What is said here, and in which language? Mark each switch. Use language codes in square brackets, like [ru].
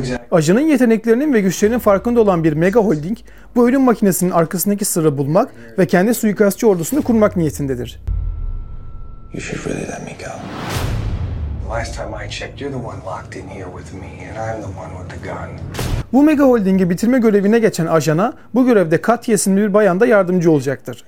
[tr] Ajanın yeteneklerinin ve güçlerinin farkında olan bir mega holding, bu ölüm makinesinin arkasındaki sırrı bulmak ve kendi suikastçı ordusunu kurmak niyetindedir. [en] You should really let me go. Last time I checked, you're the one locked in here with me, and I'm the one with the gun. [tr] Bu mega holdingi bitirme görevine geçen ajana, bu görevde Katya isimli bir bayan da yardımcı olacaktır.